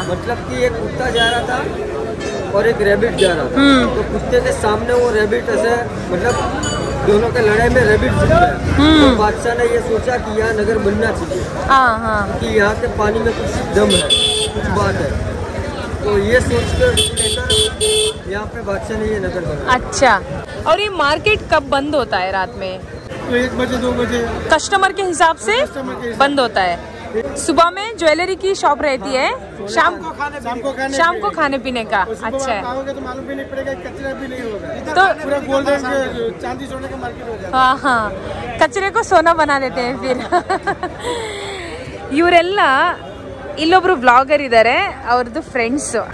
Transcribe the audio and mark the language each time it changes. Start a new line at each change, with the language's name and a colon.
Hindi: ಮತಲಬ್ ಕಿ ಏಕ್ ಕುತ್ತಾ ಜಾ ರಹಾ ಥಾ ಔರ್ ಏಕ್ ರೇಬಿಟ್ ಜಾ ರಹಾ ಥಾ ತೋ ಕುತ್ತೆ ಕೆ ಸಾಮ್ನೆ ವೋ ರೇಬಿಟ್ ಅಸೆ ಮತಲಬ दोनों के लड़ाई में रैबिट जीत गया। बादशाह ने ये सोचा कि यह नगर बनना चाहिए, कि यहाँ के पानी में कुछ दम है, कुछ बात है, तो ये सोचकर यहाँ पे बादशाह ने ये नगर बनाया। अच्छा और ये मार्केट कब बंद होता है? रात में 1-2 बजे कस्टमर के हिसाब से बंद होता है। सुबह में ज्वेलरी की शॉप रहती है, शाम को खाने पीने का, शाम को खाने पीने का। अच्छा है तो मालूम भी नहीं पड़ेगा, कचरा भी नहीं होगा, तो पूरा गोल्डन के चांदी सोने का मार्केट हो जाएगा। हाँ हाँ कचरे को सोना बना देते हैं फिर।
Kannada: इवरेल्ला ಇಲ್ಲೊಬ್ರು ವ್ಲಾಗರ್ ಇದ್ದಾರೆ, ಅವ್ರದ್ದು ಫ್ರೆಂಡ್ಸ್.